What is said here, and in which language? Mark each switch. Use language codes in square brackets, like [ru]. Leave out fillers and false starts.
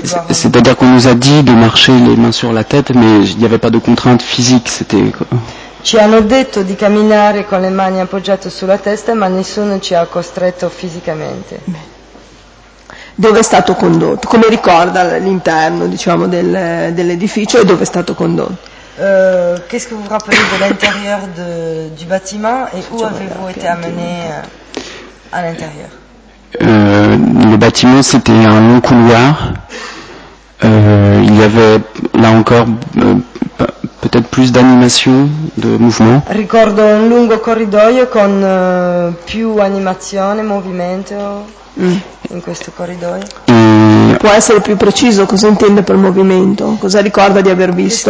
[fr] C'est-à-dire qu'on nous a dit de marcher les mains sur la tête, mais il n'y avait pas de contrainte physique. C'était. [it] Ci hanno detto di camminare con le mani appoggiate sulla testa, ma nessuno ci ha costretto fisicamente. Dove è stato condotto? Come ricorda l'interno, diciamo, dell'edificio e dove è stato condotto? [fr] Qu'est-ce que vous rappelez de l'intérieur du bâtiment et où avez-vous été amené à l'intérieur? Le bâtiment, c'était un long couloir. Il y avait là encore peut-être plus d'animation, de mouvement. [it] Ricordo un lungo corridoio con più animazione, movimento in questo corridoio. Può essere più preciso cosa intende per movimento? Cosa ricorda di aver visto?